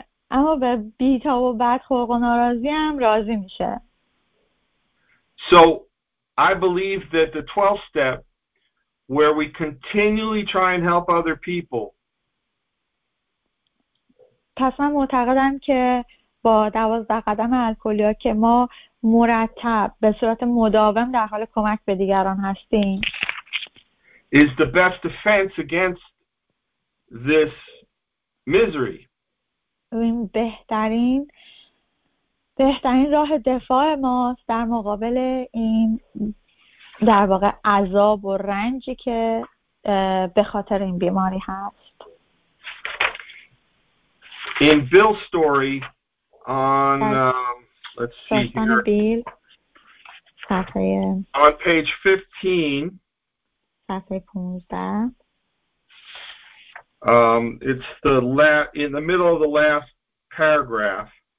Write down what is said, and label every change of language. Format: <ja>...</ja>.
<fa>اما به بیتاب و بدخلق و ناراضی هم راضی میشه.</fa> <en>So I believe that the 12th step where we continually try and help other people.</en> <fa>پس من معتقدم که با 12 قدم الکلی‌ها که ما مرتب به صورت مداوم در حال کمک به دیگران هستیم.</fa> <en>Is the best defense against this misery.</en> <fa>این بهترین راه دفاع ماست در مقابل این در واقع عذاب و رنجی که به خاطر این بیماری هست.</fa> <en>In Bill's story on let's see here.</en> <fa>بیل.</fa> <en>On page 15.</en> <fa>صفحه 15.</fa> <en>It's the in the middle of the last paragraph.</en>